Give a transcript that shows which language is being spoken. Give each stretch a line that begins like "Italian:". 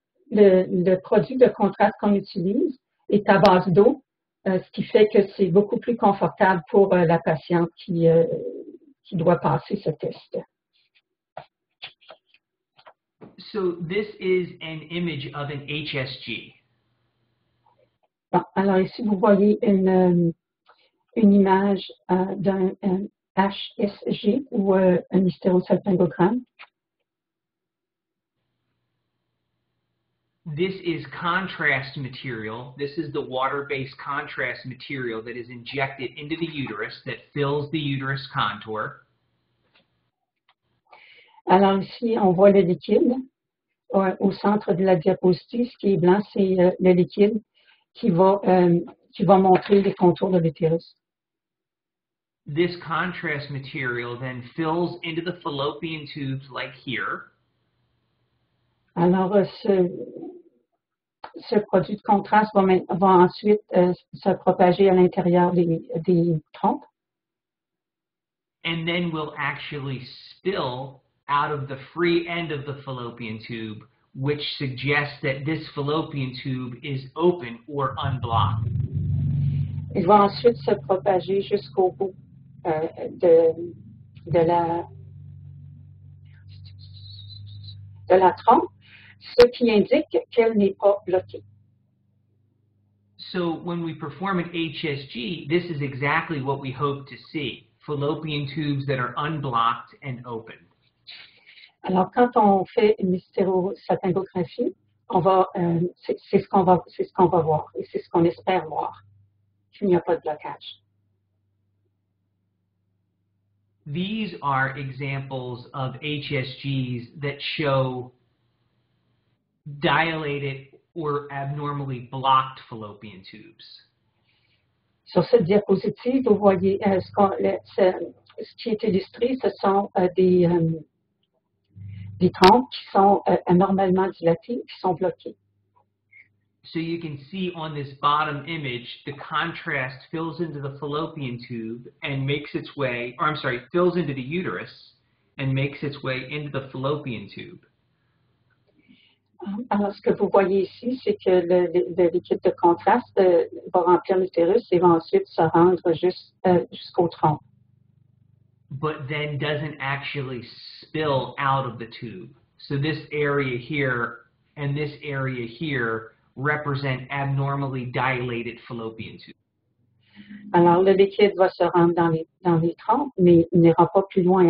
French: Le produit de contraste qu'on utilise est à base d'eau, ce qui fait que c'est beaucoup plus confortable pour la patiente qui doit passer ce test.
English: So this is an image of an HSG.
French: Bon, alors ici vous voyez une image d'un HSG ou un hystérosalpingogramme.
English: This is contrast material. This is the water-based contrast material that is injected into the uterus that fills the uterus contour.
French: Alors ici on voit le liquide. Au centre de la diapositive, ce qui est blanc, c'est le liquide qui va montrer les contours de l'utérus.
English: This contrast material then fills into the fallopian tubes like here.
French: Alors, ce produit de contraste va ensuite se propager à l'intérieur des trompes.
English: And then will actually spill out of the free end of the fallopian tube, which suggests that this fallopian tube is open or unblocked.
French: Il va ensuite se propager jusqu'au bout de la trompe, ce qui indique qu'elle n'est pas bloquée.
English: So when we perform an HSG, this is exactly what we hope to see, fallopian tubes that are unblocked and open.
French: Alors, quand on fait une hystérosalpingographie, c'est ce qu'on va voir et c'est ce qu'on espère voir, qu'il n'y a pas de blocage.
English: These are examples of HSGs that show dilated or abnormally blocked fallopian tubes.
French: Sur cette diapositive, vous voyez ce qui est illustré, ce sont des trompes qui sont anormalement dilatées, qui sont bloquées.
English: So you can see on this bottom image, the contrast fills into the fallopian tube and makes its way, or I'm sorry, fills into the uterus and makes its way into the fallopian tube.
French: Alors, ce que vous voyez ici, c'est que le liquide de contraste va remplir l'utérus et va ensuite se rendre jusqu'aux trompes.
English: But then doesn't actually spill out of the tube. So this area here and this area here represent abnormally dilated fallopian tubes.
French: Alors le liquide va se rendre dans les trompes, mais il n'ira pas plus loin.